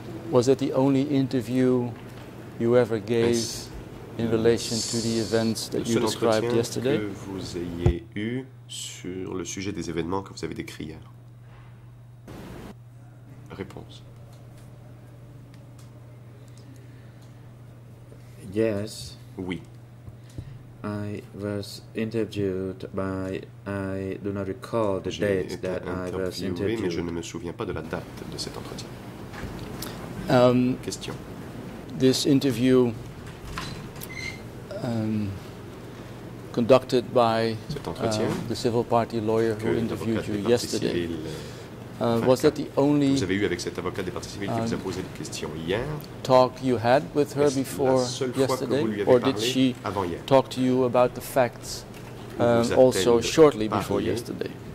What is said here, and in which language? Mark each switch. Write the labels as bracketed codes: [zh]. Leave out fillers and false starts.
[en] Was that the only interview you ever gave? In relation to the events that you described yesterday. [fr] Que vous ayez eu sur le sujet des événements que vous avez décrits hier. Réponse. [en] Yes. [fr] Oui. [en] I was interviewed by I do not recall the [fr] j'ai [en] date that I was interviewed. [fr] Mais je ne me souviens pas de la date de cet entretien. Question. [en] This interview conducted by the civil party lawyer who interviewed you yesterday. Was that the only [fr] vous avez eu avec cette avocate des partis civils qui vous a posé des questions hier? [en] Talk you had with her before yesterday, or did she talk to you about the facts also shortly before yesterday?